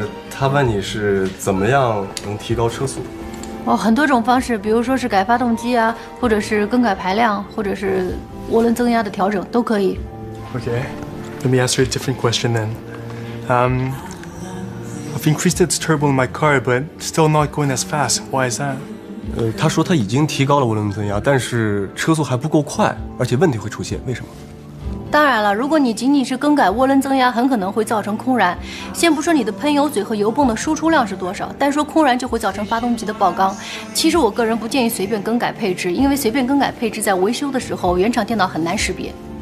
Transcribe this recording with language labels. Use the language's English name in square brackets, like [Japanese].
[Chinese] 他问你是怎么样能提高车速？哦，很多种方式，比如说是改发动机啊，或者是更改排量，或者是涡轮增压的调整，都可以。 [English] Okay, let me ask you a different question then. I've increased its turbo in my car, but still not going as fast. Why is that? [Chinese] 他说他已经提高了涡轮增压，但是车速还不够快，而且问题会出现。为什么？当然了，如果你仅仅是更改涡轮增压，很可能会造成空燃。先不说你的喷油嘴和油泵的输出量是多少，单说空燃就会造成发动机的爆缸。其实我个人不建议随便更改配置，因为随便更改配置在维修的时候，原厂电脑很难识别。